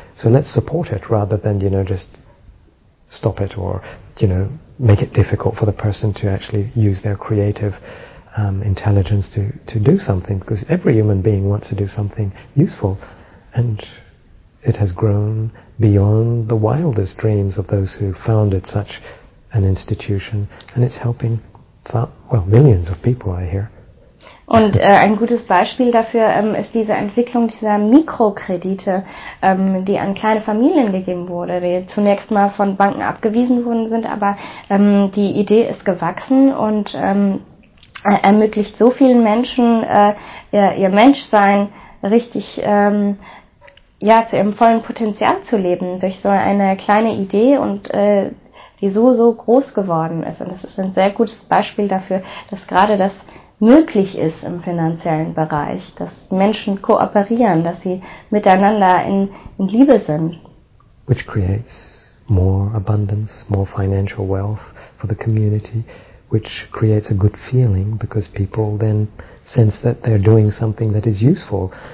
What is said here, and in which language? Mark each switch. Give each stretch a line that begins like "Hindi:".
English: So let's support it rather than, you know, just stop it or, you know, make it difficult for the person to actually use their creative intelligence to do something, because every human being wants to do something useful. And it has grown beyond the wildest dreams of those who founded such an institution, and it's helping millions of people, I hear.
German: Und ein gutes Beispiel dafür ist diese Entwicklung dieser Mikrokredite, die an kleine Familien gegeben wurde, die zunächst mal von Banken abgewiesen worden sind, aber die Idee ist gewachsen und ermöglicht so vielen Menschen ihr Menschsein richtig zu ihrem vollen Potenzial zu leben, durch so eine kleine Idee und die so, so groß geworden ist. Und das ist ein sehr gutes Beispiel dafür, dass gerade das möglich ist im finanziellen Bereich, dass Menschen kooperieren, dass sie miteinander in Liebe sind.
English: Which creates more abundance, more financial wealth for the community, which creates a good feeling, because people then sense that they're doing something that is useful.